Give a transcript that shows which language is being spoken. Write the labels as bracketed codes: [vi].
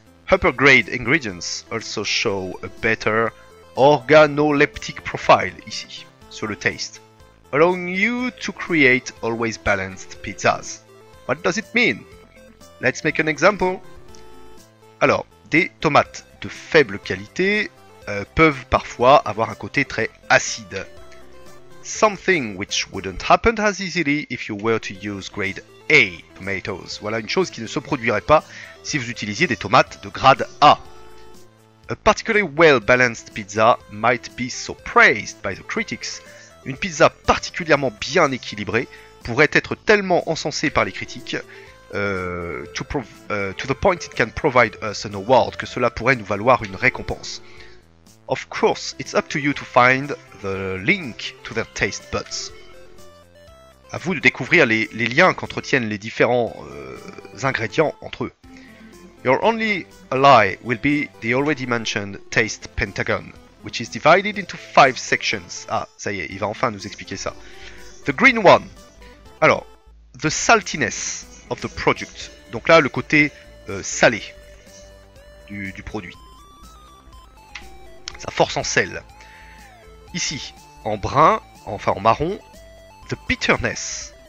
[en] Upper grade ingredients also show a better organoleptic profile [fr] ici, sur le taste. [en] Allowing you to create always balanced pizzas. What does it mean? Let's make an example. [fr] Alors, des tomates de faible qualité peuvent parfois avoir un côté très acide. [en] Something which wouldn't happen as easily if you were to use grade A tomatoes. [fr] Voilà une chose qui ne se produirait pas si vous utilisiez des tomates de grade A. [en] A particularly well-balanced pizza might be so praised by the critics. [fr] Une pizza particulièrement bien équilibrée pourrait être tellement encensée par les critiques, [en] to the point it can provide us an award, [fr] que cela pourrait nous valoir une récompense. [en] Of course, it's up to you to find the link to their taste buds. [fr] À vous de découvrir les liens qu'entretiennent les différents ingrédients entre eux. [en] Your only ally will be the already mentioned Taste Pentagon, which is divided into five sections. [fr] Ah, ça y est, il va enfin nous expliquer ça. [en] The green one. Alors, the saltiness of the product. [fr] Donc là, le côté salé du produit. Sa force en sel. Ici, en brun, enfin en marron, [en] the bitterness.